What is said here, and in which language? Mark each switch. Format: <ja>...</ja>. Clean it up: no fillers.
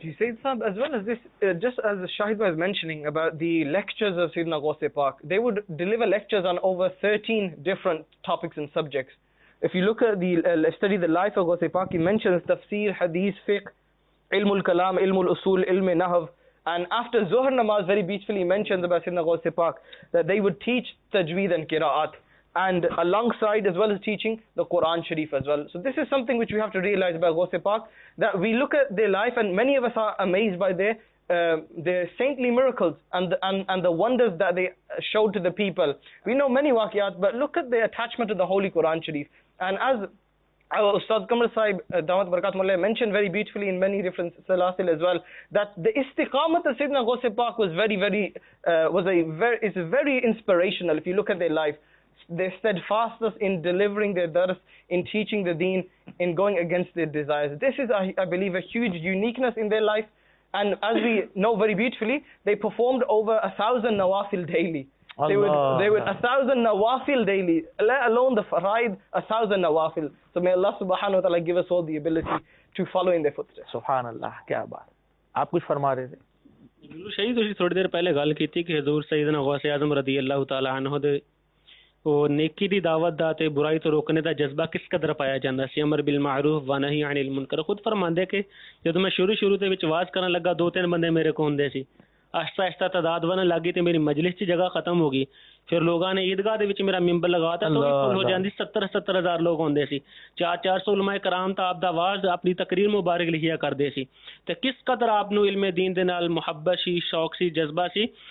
<en>जी Saeed Sahab, as well as this, just as Shahid was mentioning about the lectures of सैयदना Ghawth-e Pak, they would deliver lectures on over 13 different topics and subjects. If you look at the study the life of Ghawth-e Pak, he mentions तफसीर, हदीस, फिक, इल्म अल कलाम, इल्म अल उसूल, इल्म अल नहव. And after Zuhr namaz, very beautifully mentioned about Sayyidina Ghawth-e Pak that they would teach tajweed and qiraat, and alongside as well as teaching the Quran Sharif as well. So this is something which we have to realize about Ghawth-e Pak, that we look at their life and many of us are amazed by their saintly miracles and the wonders that they showed to the people. We know many waqiyat, but look at their attachment to the Holy Quran Sharif. And as our Ustad Qamar Sahib, Dawat Barakat Mullah, mentioned very beautifully in many different salasil as well, that the istiqamah of Sayyidina Ghawth-e Pak was very inspirational. If you look at their life, their steadfastness in delivering their dars, in teaching the deen, in going against their desires. This is, I believe, a huge uniqueness in their life. And as we know very beautifully, they performed over 1,000 nawafil daily. They would 1,000 nawafil daily, let alone the faraid, 1,000 nawafil. So may Allah subhanahu wa ta'ala give us all the ability to follow in their footsteps.</en> <ur>Subhanallah, kya baat. Aap kuch farma rahe the?</ur> <pa>ਜਿਹੜੂ ਸ਼ਹੀਦ ਜੀ ਥੋੜੀ ਦੇਰ ਪਹਿਲੇ ਗੱਲ ਕੀਤੀ ਕਿ ਹਜ਼ੂਰ ਸੈਯਦਨਾ ਗੌਸੇ ਆਜ਼ਮ ਰਜ਼ੀ ਅੱਲਾਹੁ ਤਾਲਾ ਅਨਹੁ ਦੇ ਉਹ ਨੇਕੀ ਦੀ ਦਾਵਤ ਦਾ ਤੇ ਬੁਰਾਈ ਤੋਂ ਰੋਕਣ ਦਾ ਜਜ਼ਬਾ ਕਿਸ ਕਦਰ ਪਾਇਆ ਜਾਂਦਾ ਸੀ? ਅਮਰ ਬਿਲ ਮਾਰੂਫ ਵ ਨਹੀਂ ਅਨਿਲ ਮੁਨਕਰ, ਖੁਦ ਫਰਮਾਉਂਦੇ ਕਿ ਜਦੋਂ ਮੈਂ ਸ਼ੁਰੂ ਸ਼ੁਰੂ ਦੇ ਵਿੱਚ ਆਵਾਜ਼ ਕਰਨ ਲੱਗਾ, ਦੋ ਤਿੰਨ ਬੰਦੇ ਮੇਰੇ ਕੋਲ ਹੁੰਦੇ ਸੀ, ਆਹਿਸਤਾ ਆਹਿਸਤਾ ਤਾਦਾਦ ਵਧਣ ਲੱਗ ਗਈ ਤੇ ਮੇਰੀ ਮਜਲਿਸ 'ਚ ਜਗ੍ਹਾ ਖਤਮ ਹੋ ਗਈ, ਫਿਰ ਲੋਕਾਂ ਨੇ ਈਦਗਾਹ ਦੇ ਵਿੱਚ ਮੇਰਾ ਮਿੰਬਰ ਲਗਾ ਦਿੱਤਾ ਤਾਂ ਵੀ ਫੁੱਲ ਹੋ ਜਾਂਦੀ, 70,000 ਲੋਕ ਹੁੰਦੇ ਸੀ, 400 ਉਲਮਾ ਕਰਾਮ ਤਾਂ ਆਪਦਾ ਆਵਾਜ਼ ਆਪਣੀ ਤਕਰੀਰ ਮੁਬਾਰਕ ਲਿਖਿਆ ਕਰਦੇ ਸੀ, ਤੇ ਕਿਸ ਕਦਰ ਆਪ ਨੂੰ ਇਲਮ ਦੀਨ ਦੇ ਨਾਲ ਮੁਹੱਬਤ ਸੀ, ਸ਼ੌਕ ਸੀ, ਜਜ਼ਬਾ ਸੀ</pa>